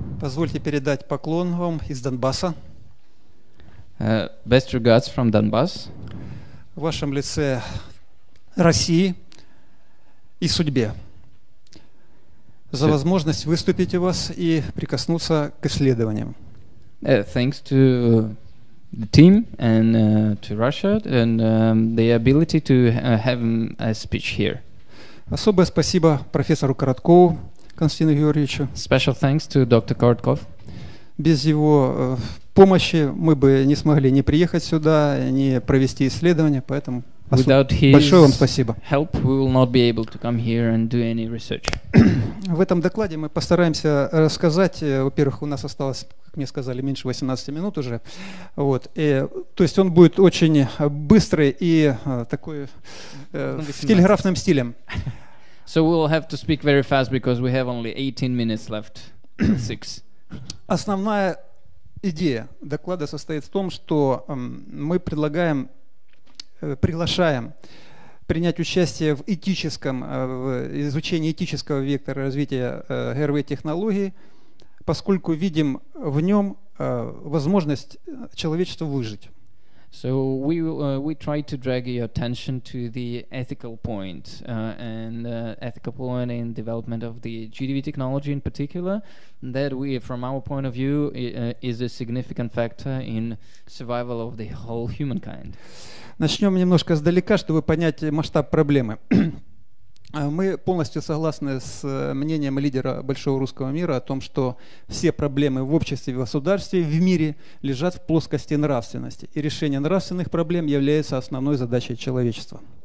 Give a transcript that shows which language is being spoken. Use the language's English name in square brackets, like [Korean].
[Russian] Позвольте передать поклон вам из Донбасса. [English] Best regards from Donbass. [Russian] В вашем лице России и судьбе. За возможность выступить у вас и прикоснуться к исследованиям. [English] Thanks to the team and to Russia and the ability to have a speech here. [Russian] Особое спасибо профессору Короткову Константину Георгиевичу. [English] Special thanks to Dr. Korotkov. [Russian] Без его помощи мы бы не смогли ни приехать сюда, ни провести исследование, поэтому большое вам спасибо. [English] Help, we will not be able to come here and do any research. [Russian] В этом докладе мы постараемся рассказать, во-первых, у нас осталось, как мне сказали, меньше 18 минут уже. Вот. То есть он будет очень быстрый и такой с телеграфным стилем. [English] So we'll have to speak very fast because we have only 18 minutes left. Six. [Russian] Основная идея доклада состоит в том, что мы предлагаем, приглашаем принять участие в этическом, в изучении этического вектора развития ГРВ-технологии, поскольку видим в нем возможность человечеству выжить. [English] So we try to drag your attention to the ethical point and ethical point in development of the GDV technology in particular that we from our point of view is a significant factor in survival of the whole humankind. [Russian] Начнем немножко сдалека, чтобы понять масштаб проблемы. Мы полностью согласны с мнением лидера большого русского мира о том, что все проблемы в обществе, в государстве, в мире лежат в плоскости нравственности, и решение нравственных проблем является основной задачей человечества.